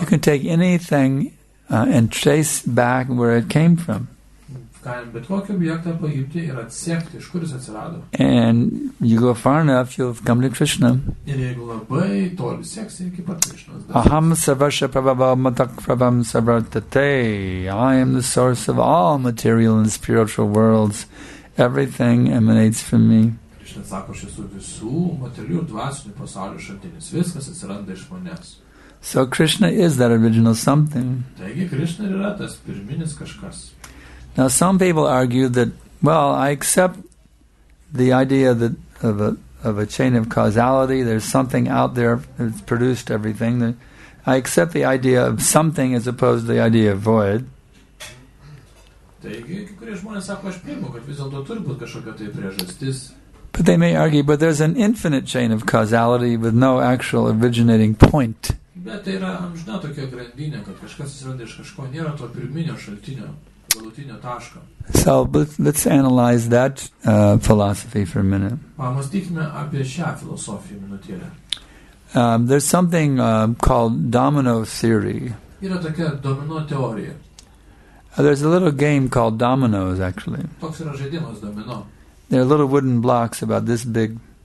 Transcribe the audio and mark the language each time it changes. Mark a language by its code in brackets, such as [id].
[en] You can take anything and trace back where it came from. [lt] Bet kokį objektą paimti ir atsekti, iš kur jis atsirado. [en] And you go far enough, you'll come to Krishna. [lt] Ir jeigu labai toli seksi, iki pat Krishnos. [sa] Aham sarvasya prabhavam matak prabhavam sarvartate. [en] I am the source of all material and spiritual worlds. Everything emanates from me. [lt] Krishna sako, aš esu visų materialių dvasinių pasaulio šaltinis. Viskas atsiranda iš manęs. [en] So Krishna is that original something. [lt] Taigi Krishna yra tas pirminis kažkas. [en] Now some people argue that, well, I accept the idea that of a chain of causality. There's something out there that's produced everything. I accept the idea of something as opposed to the idea of void. [lt] Taigi, kai kurie žmonės sako, aš priimu, kad vis dėlto turi būti kažkokia tai priežastis. [en] But they may argue, but there's an infinite chain of causality with no actual originating point. [lt] Bet tai yra amžina tokia grandinė, kad kažkas atsiranda iš kažko, nėra to pirminio šaltinio, galutinio taško. [en] So, but let's analyze that philosophy for a minute. [lt] Pamastykime apie šią filosofiją minutėlę. [en] There's something called domino theory. [lt] Yra tokia domino teorija. [en] There's a little game called dominoes, actually. [lt] Toks yra žaidimas domino. [en] There are little wooden blocks about this big.